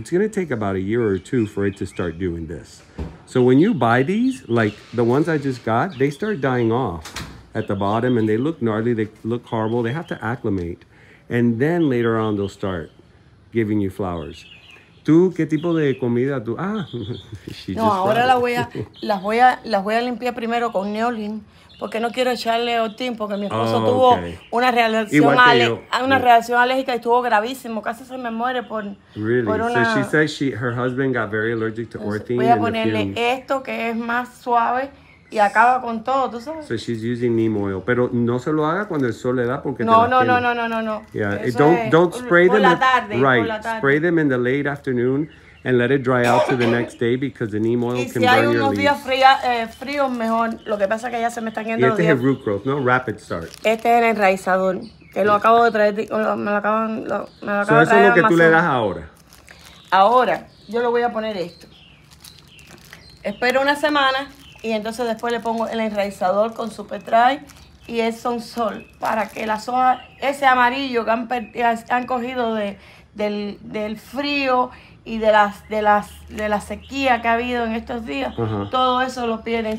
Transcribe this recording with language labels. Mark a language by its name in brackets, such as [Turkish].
[English] It's going to take about a year or two for it to start doing this. So when you buy these, like the ones I just got, they start dying off at the bottom, and they look gnarly, they look horrible, they have to acclimate, and then later on they'll start giving you flowers. [Spanish] ¿Tú qué tipo de comida tú? No, ahora las voy a limpiar primero con Neolin, porque no quiero echarle Otin, porque mi esposo tuvo una reacción alérgica y estuvo gravísimo, casi se me muere por [English] una. So she says her husband got very allergic to Otin. [Spanish] Voy a ponerle esto que es más suave. Y acaba con todo, ¿tú sabes? [English] So she's using neem oil, [Spanish] pero no se lo haga cuando el sol le da porque no. [English] Yeah, don't spray them spray them in the late afternoon and let it dry out to the next day because the neem oil can burn your leaves. [Spanish] Y si hay unos días fríos mejor. Lo que pasa que ya se me están yendo. Y este es root growth, no rapid start. Este es el enraizador que lo acabo de traer, me lo acaban. So eso es lo que tú le das ahora. Ahora yo lo voy a poner esto. Espero una semana. Y entonces después le pongo el enraizador con Super Dry y el Son Sol para que las hojas, ese amarillo que han cogido del frío y de la sequía que ha habido en estos días, todo eso lo pierde.